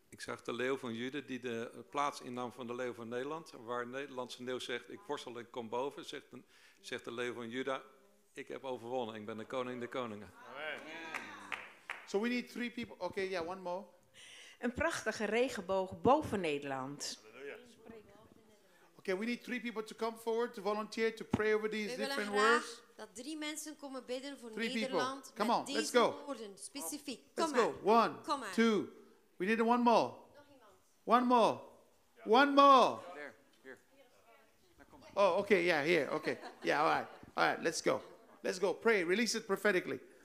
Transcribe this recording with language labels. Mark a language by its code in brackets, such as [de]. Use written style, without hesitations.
[nl] Ik zag de leeuw van Juda die de plaats innam van de leeuw van Nederland. Waar een Nederlandse leeuw zegt, ik worstel en kom boven. Zegt de leeuw van Juda, ik heb overwonnen. Ik ben de koning der koningen. [en] Amen. So we need three people. Oké, okay, yeah, one more. [nl] Een prachtige regenboog boven Nederland. [en] Oké, okay, we need three people to come forward, to volunteer, to pray over these different words. [nl] Dat drie mensen komen bidden voor three Nederland. [en] Three people. Come on, let's go. [nl] Woorden, specifiek. [en] Let's go. One, come on. Two. We need one more. One more. One more. There. Here. Oh, okay. Yeah, here. Okay. Yeah, all right. All right, let's go. Let's go. Pray. Release it prophetically.